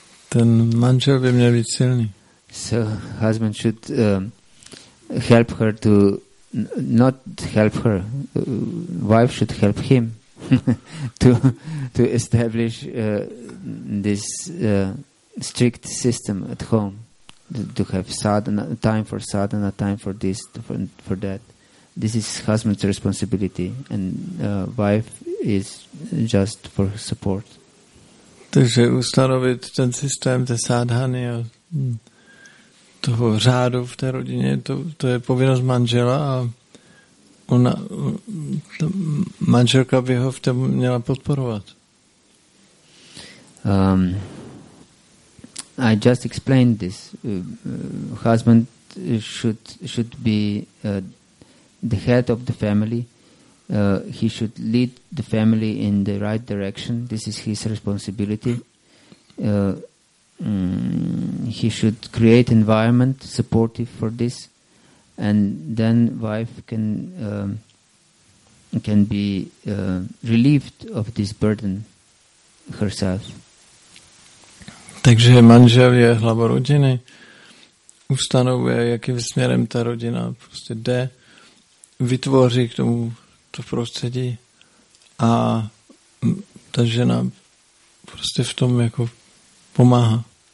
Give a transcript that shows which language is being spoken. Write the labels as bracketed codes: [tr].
[cs] Ten manžel by měl být silný. [en] So husband should help her to not help her. Wife should help him to establish this strict system at home, to have sadhana, time for sadhana, time for this, for that. This is husband's responsibility, and wife is just for support. [cs] Takže ustanovit ten systém té sadhany a toho řádu v té rodině, to je povinnost manžela, a ona, ta manželka by ho v tom měla podporovat. [en] I just explained this. Husband should be the head of the family. He should lead the family in the right direction. This is his responsibility. He should create environment supportive for this, and then wife can be relieved of this burden. herself. [cs] Takže manžel je hlava rodiny, ustanovuje, jakým směrem ta rodina prostě jde, vytvoří k tomu to prostředí a ta žena prostě v tom jako pomáhá.